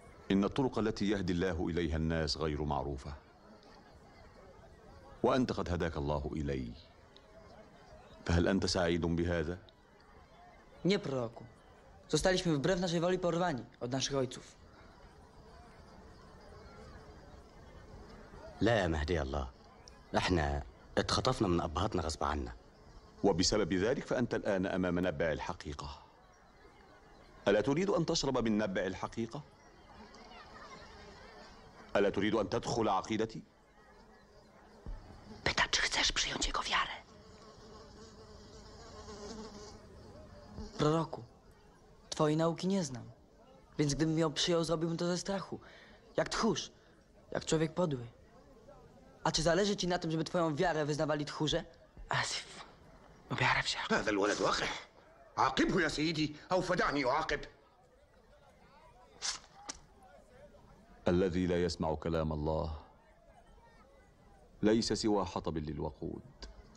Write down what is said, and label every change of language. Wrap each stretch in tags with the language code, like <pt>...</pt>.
<ar>إن الطرق التي يهدي الله إليها الناس غير معروفة، وأنت قد هداك الله إلي، فهل أنت سعيد بهذا؟</ar> <pl>Nie proroku. Zostaliśmy wbrew naszej woli porwani od naszych ojców.</pl> <ar>لا يا مهدي الله، احنا اتخطفنا من أبهاتنا غصب عنا. وبسبب ذلك فأنت الآن أمام نبع الحقيقة. ألا تريد أن تشرب من نبع الحقيقة؟ ألا تريد أن تدخل عقيدتي؟</ar> <pl>Pytam, czy chcesz przyjąć jego wiarę. Proroku, twojej nauki nie znam. Więc gdybym ją przyjął, zrobiłbym to ze strachu. Jak tchórz, jak człowiek podły. A czy zależy ci na tym, żeby twoją wiarę wyznawali tchórze?</pl> <ar>Asif, ما بيعرفش عقب. هذا الولد واقح. عاقبه يا سيدي أو فدعني وعاقب. الذي لا يسمع كلام الله ليس سوى حطب للوقود.</ar>